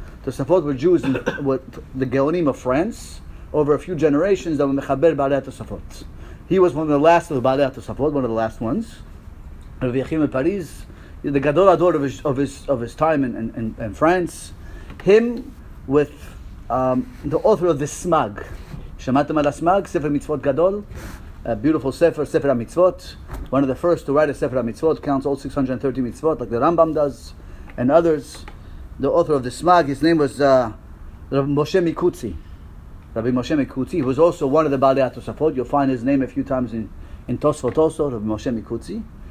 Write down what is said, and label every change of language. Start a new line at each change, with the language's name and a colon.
English: Tosafot were Jews in the Geonim of France. Over a few generations, that were mechaber Baalei HaTosafot. He was one of the last of the Baalei HaTosafot, one of the last ones. Rabbi Yechiel in Paris, the gadol ador of his time in France. Him with the author of the Smag,
Hebrew: שמעתם על הסמג, ספר מצוות גדול?
English: A beautiful
Hebrew: ספר, ספר המצוות.
English: One of the first to write a ספר המצוות, counts all 630 מצוות, like the Rambam does, and others. The author of the smag, his name was Rav Moshe Mikutzi. Rabbi Moshe Mikutzi, who was also one of the Balei HaTosafot. You'll find his name a few times in Tosfot also, Rav Moshe Mikutzi.